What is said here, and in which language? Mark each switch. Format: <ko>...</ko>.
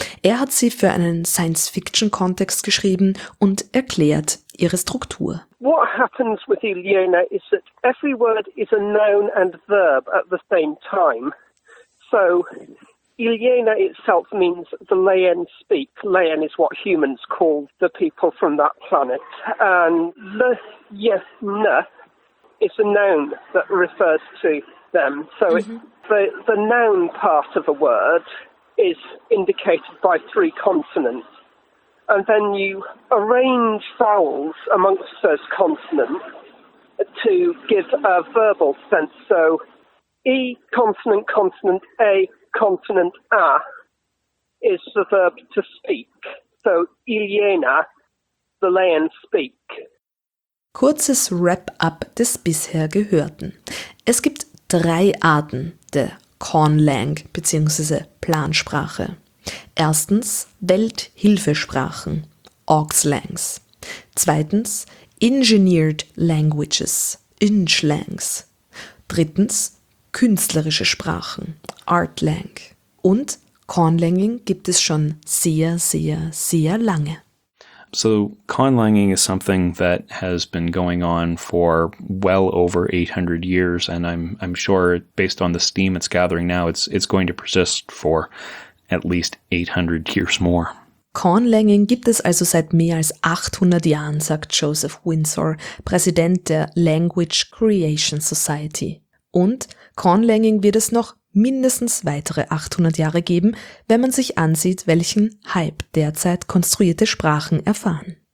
<de>Er hat sie für einen Science-Fiction-Kontext geschrieben und erklärt ihre Struktur.</de> <en>What happens with Hyena is that every word is a noun and verb at the same time. So Iliana itself means the Layen speak. Layen is what humans call the people from that planet. And Layena is a noun that refers to them. So the noun part of a word is indicated by three consonants. And then you arrange vowels amongst those consonants to give a verbal sense. So E, consonant, consonant, A, consonant A is the verb to speak. So Iliana, the Layen speak.</en> <de>Kurzes Wrap-up des bisher Gehörten. Es gibt drei Arten der Kornlang bzw. Plansprache. Erstens Welthilfesprachen, Orgslangs. Zweitens Engineered Languages, Inchlangs. Drittens künstlerische Sprachen, Artlang. Und Kornlanging gibt es schon sehr, sehr, sehr lange.</de> <en>So Kornlanging is something that has been going on for well over 800 years, and I'm sure based on the steam it's gathering now, it's going to persist for at least 800 years more.</en> <de>Kornlanging gibt es also seit mehr als 800 Jahren, sagt Joseph Windsor, Präsident der Language Creation Society. Und Kornlanging wird es noch mindestens weitere 800 Jahre geben, wenn man sich ansieht, welchen Hype derzeit konstruierte Sprachen erfahren.</de>